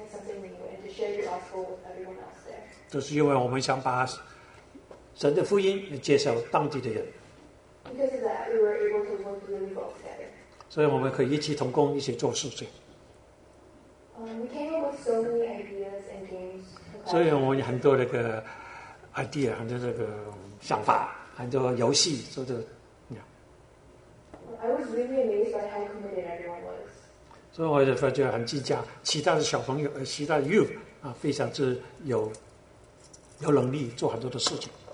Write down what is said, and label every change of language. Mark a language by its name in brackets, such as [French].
[English] We were all there because we wanted to experience something new and to share the gospel with everyone else there. [Chinese] 就是因为我们想把神的福音介绍当地的人。 [English] Because of that, we were able to work really well together. [Chinese] 所以我们可以一起同工，一起做事情。 [English] We came up with so many ideas and games. [Chinese] 所以我们有很多那个 idea， 很多这个想法，很多游戏，做的。 [English] I was really amazed by how committed everyone was. [Chinese] 所以我就发觉很激将，其他的小朋友，其他的 youth 啊，非常之有能力做很多的事情。